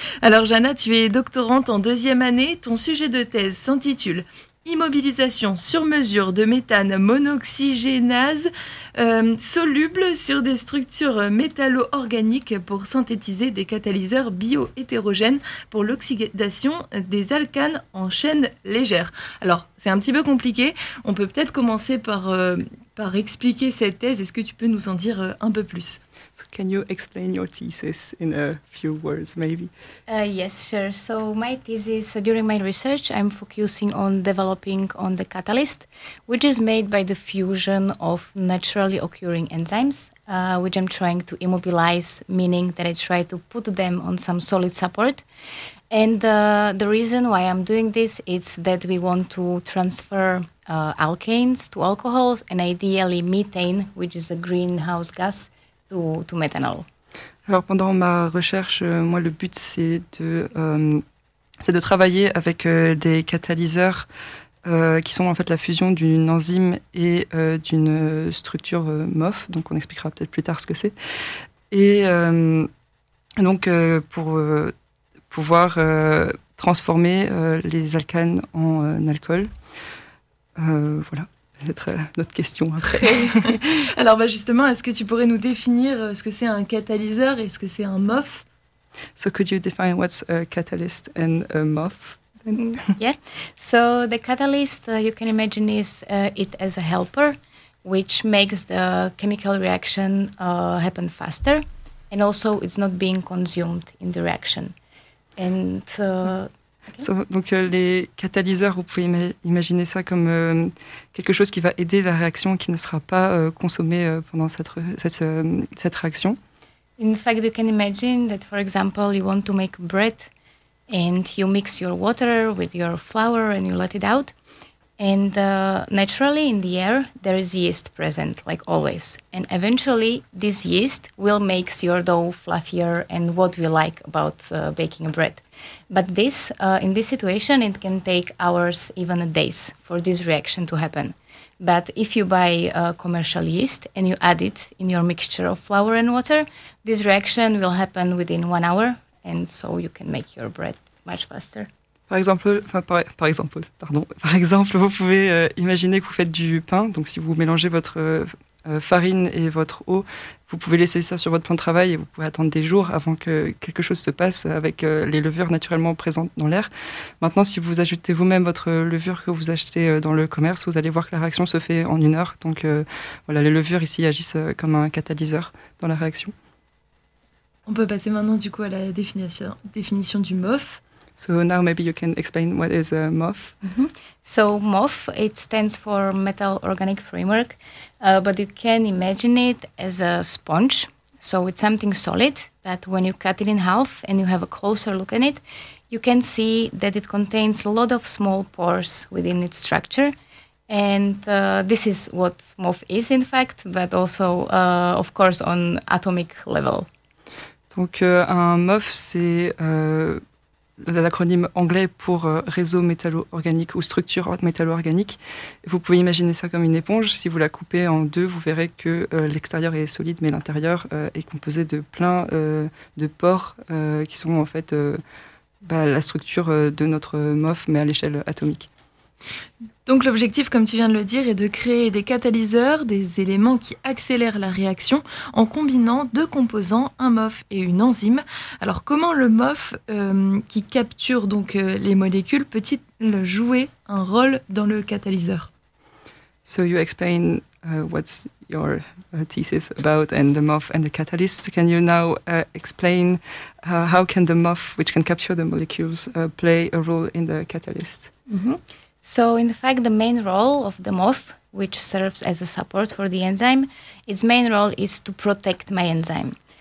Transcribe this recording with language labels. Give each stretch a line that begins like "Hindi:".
French: Alors Jana, tu es doctorante en deuxième année. Ton sujet de thèse s'intitule « Immobilisation sur mesure de méthane monoxygénase soluble sur des structures métallo-organiques pour synthétiser des catalyseurs bio-hétérogènes pour l'oxydation des alcanes en chaîne légère ». Alors, c'est un petit peu compliqué. On peut peut-être commencer par expliquer cette thèse. Est-ce que tu peux nous en dire un peu plus ?
English: So can you explain your thesis in a few words, maybe? Yes, sure. So my thesis, during my research, I'm focusing on developing on the catalyst, which is made by the fusion of naturally occurring enzymes, which I'm trying to immobilize, meaning that I try to put them on some solid support. And the reason why I'm doing this is that we want to transfer alkanes to alcohols and ideally methane, which is a greenhouse gas, to methanol.
French: Alors pendant ma recherche, moi le but c'est de travailler avec des catalyseurs qui sont en fait la fusion d'une enzyme et d'une structure MOF, donc on expliquera peut-être plus tard ce que c'est. Et donc pour pouvoir transformer les alcanes en alcool, voilà. Peut-être notre question après. Alors bah justement, est-ce que tu pourrais nous définir ce que c'est un catalyseur et ce que c'est un MOF?
English: So could you define what's a catalyst and a MOF? Yeah, so the catalyst, you can imagine is it as a helper, which makes the chemical reaction happen faster. And also it's not being consumed in the reaction. And Okay.
French: Donc les catalyseurs, vous pouvez imaginer ça comme quelque chose qui va aider la réaction, qui ne sera pas consommée pendant cette réaction.
English: In fact, you can imagine that, for example, you want to make bread and you mix your water with your flour and you let it out. And naturally, in the air, there is yeast present, like always. And eventually, this yeast will make your dough fluffier and what we like about baking a bread. But this, in this situation, it can take hours, even days, for this reaction to happen. But if you buy commercial yeast and you add it in your mixture of flour and water, this reaction will happen within 1 hour, and so you can make your bread much faster.
French: Par exemple, vous pouvez imaginer que vous faites du pain. Donc, si vous mélangez votre farine et votre eau, vous pouvez laisser ça sur votre plan de travail et vous pouvez attendre des jours avant que quelque chose se passe avec les levures naturellement présentes dans l'air. Maintenant, si vous ajoutez vous-même votre levure que vous achetez dans le commerce, vous allez voir que la réaction se fait en 1 heure. Donc, voilà, les levures ici agissent comme un catalyseur dans la réaction. On peut passer maintenant du coup à la définition du MOF.
English: So now maybe you can explain what is a MOF. Mm-hmm. So MOF, it stands for Metal Organic Framework, but you can imagine it as a sponge. So it's something solid, but when you cut it in half and you have a closer look at it, you can see that it contains a lot of small pores within its structure. And this is what MOF is, in fact, but also, of course, on atomic level.
French: Donc un MOF, c'est... l'acronyme anglais pour réseau métallo-organique ou structure métallo-organique. Vous pouvez imaginer ça comme une éponge. Si vous la coupez en deux, vous verrez que l'extérieur est solide, mais l'intérieur est composé de plein de pores qui sont en fait la structure de notre MOF, mais à l'échelle atomique. Donc l'objectif, comme tu viens de le dire, est de créer des catalyseurs, des éléments qui accélèrent la réaction en combinant deux composants, un MOF et une enzyme. Alors comment le MOF qui capture donc les molécules peut-il jouer un rôle dans le catalyseur?
English: So you explain what's your thesis about and the muff and the catalyst. Can you now explain how can the muff, which can capture the molecules, play a role in the catalyst? Mm-hmm. So in fact, the main role of the muff, which serves as a support for the enzyme, its main role is to protect my enzyme.